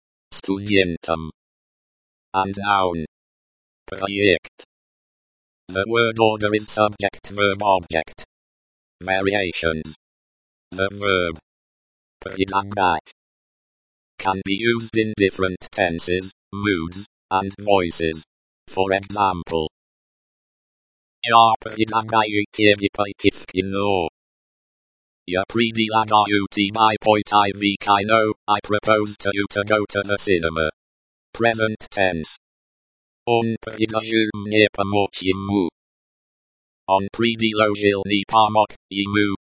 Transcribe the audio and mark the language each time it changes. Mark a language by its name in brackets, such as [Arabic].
[Russian] Студентам. [English] And noun. [Russian] Проект. [English] The word order is subject-verb-object. Variations. The verb. Предлагать. Can be used in different tenses, moods, and voices. For example. [Russian] Я предлагаю тебе пойти в кино. Я предлагаю тебе пойти в кино. [English] I propose to you to go to the cinema. Present tense. [Russian] Он предложил мне помочь ему. Он предложил не помог ему,